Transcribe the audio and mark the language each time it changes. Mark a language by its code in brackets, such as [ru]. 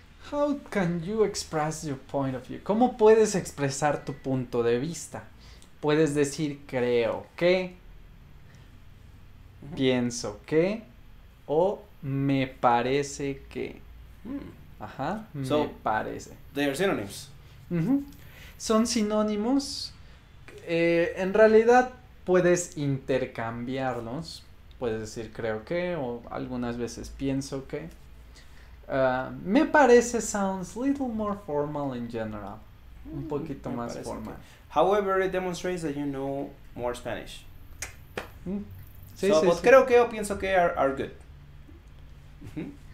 [en] How can you express your point of view? [es] ¿Cómo puedes expresar tu punto de vista? Puedes decir creo que, pienso que, o me parece que. Ajá, me parece. [en] They are synonyms. [es] Son sinónimos. En realidad puedes intercambiarlos. Puedes decir creo que, o algunas veces pienso que. Me parece [en] sounds little more formal in general. [es] Un poquito más formal. Que. [en] However, it demonstrates that you know more Spanish. [es] Sí, creo que o pienso que [en] are good.